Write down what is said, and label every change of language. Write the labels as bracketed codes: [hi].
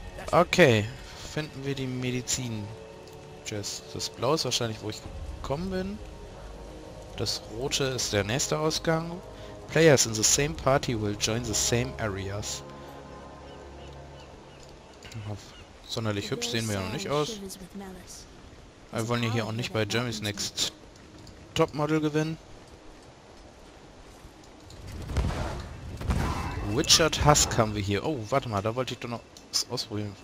[de] Okay, finden wir die Medizin. Das Blau ist wahrscheinlich, wo ich gekommen bin. Das Rote ist der nächste Ausgang. [en] Players in the same party will join the same areas. [de] Sonderlich hübsch sehen wir ja noch nicht aus. Wir wollen ja hier auch nicht bei Jeremy's Next Topmodel gewinnen. Richard Husk haben wir hier. Oh, warte mal, da wollte ich doch noch was ausprobieren.